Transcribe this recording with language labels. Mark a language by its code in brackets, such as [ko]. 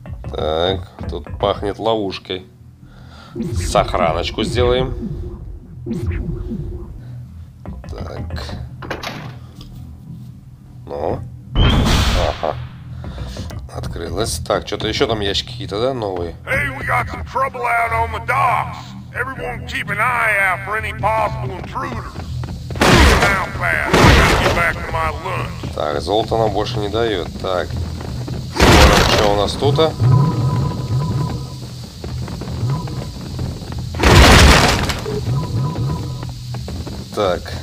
[ru] Так, тут пахнет ловушкой. Сохраночку сделаем. Так. Ну. Ага. Открылось. Так, что-то еще там ящики какие-то, да, новые? [en] Hey, we got some trouble out on the docks. Everyone keep an eye out for any possible intruders. Now fast, I gotta get back to my lunch. [ru] Так, золото нам больше не дает. Так. Что у нас тут-то? Так.